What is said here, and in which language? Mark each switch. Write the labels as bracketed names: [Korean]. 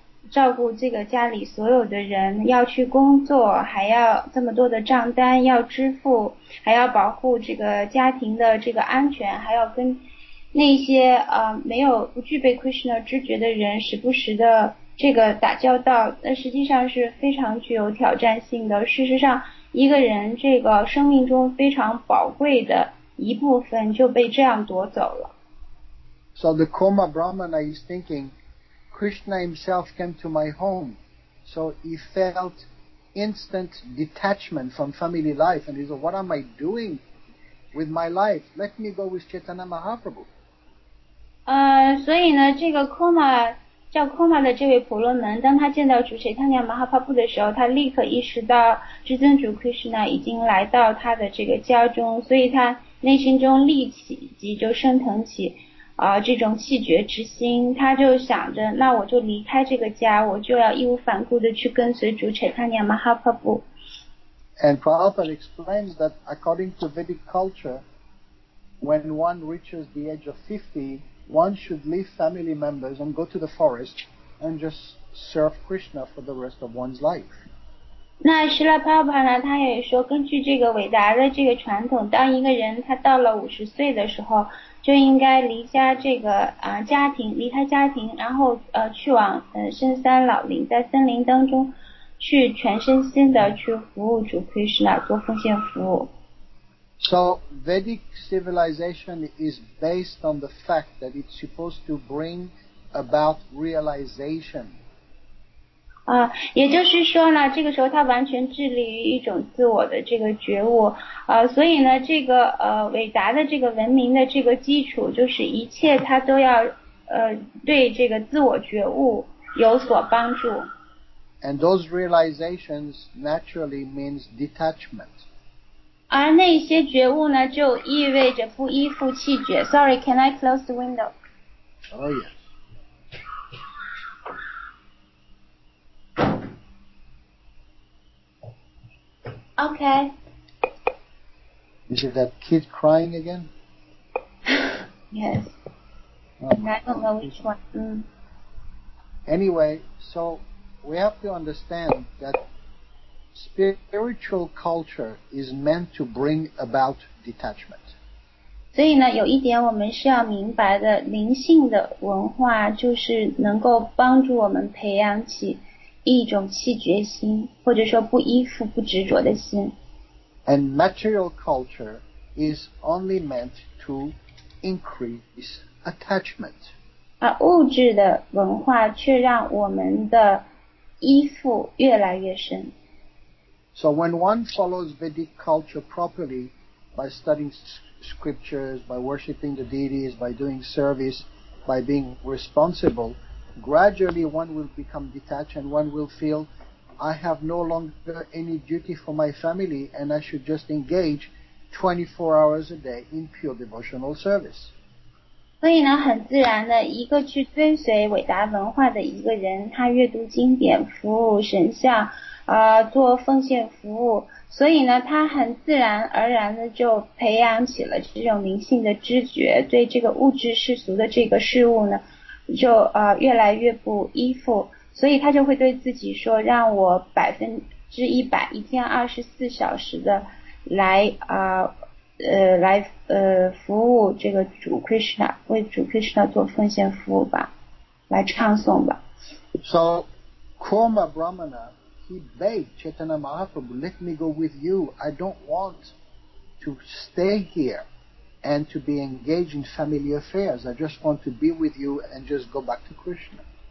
[Chinese] 照顾这个家里所有的人，要去工作，还要这么多的账单要支付，还要保护这个家庭的这个安全，还要跟那些没有不具备 Krishna 知觉的人时不时的这个打交道，那实际上是非常具有挑战性的。事实上一个人这个生命中非常宝贵的一部分就被这样夺走了。 [English] So the Koma Brahmana is thinking Krishna himself came to my home, so he felt instant detachment from family life and he said, what am I doing with my life? Let me go with Chaitanya Mahaprabhu. [Chinese] 所以呢这个 Koma 叫 Koma 的这位婆罗门，当他见到主 Chaitanya Mahaprabhu 的时候，他立刻意识到至尊主 Krishna 已经来到他的这个家中，所以他内心中立即就升腾起这种弃绝之心，他就想着那我就离开这个家，我就要义无反顾地去跟随主 Chaitanya Mahaprabhu。 [English] And Prabhupada explains that according to Vedic culture, when one reaches the age of 50, one should leave family members and go to the forest and just serve Krishna for the rest of one's life。 [Chinese] 那释迦牟尼佛呢，他也说根据这个伟大的这个传统，当一个人他到了50岁的时候就应该离家这个家庭，离开家庭，然后去往深山老林，在森林当中去全身心的去服务主 Krishna， 做奉献服务。 [English] So Vedic civilization is based on the fact that it's supposed to bring about realization。 [Chinese] 也就是说呢，这个时候它完全致力于一种自我的这个觉悟，所以呢这个伟大的这个文明的这个基础就是一切它都要对这个自我觉悟有所帮助。 [English] And those realizations naturally means detachment。 [Chinese] 而那些觉悟呢就意味着不依附弃绝。 [English] Sorry, can I close the window? Oh yes。 Okay. Is it that kid crying again? Yes. I don't know which one. Anyway, so we have to understand that spiritual culture is meant to bring about detachment. [Chinese] 所以呢，有一点我们是要明白的，灵性的文化就是能够帮助我们培养起一种弃绝心，或者说不依附、不执着的心。 [English] And material culture is only meant to increase attachment. [Chinese] 物质的文化却让我们的依附越来越深。 [English] So when one follows Vedic culture properly by studying scriptures, by worshipping the deities, by doing service, by being responsible,gradually one will become detached and one will feel I have no longer any duty for my family and I should just engage 24 hours a day in pure devotional service. [Chinese] 所以呢很自然的一个去追随伟大文化的一个人，他阅读经典，服务神像，做奉献服务，所以呢他很自然而然的就培养起了这种灵性的知觉，对这个物质世俗的这个事物呢就越来越不依附，所以他就会对自己说，让我100%一天24小时的来服务这个主 Krishna， 为主 Krishna 做奉献服务吧，来唱诵吧。 [English] So Koma Brahmana, he begged Chaitanya Mahaprabhu, let me go with you. I don't want to stay here and to be engaged in family affairs. I just want to be with you and just go back to Krishna.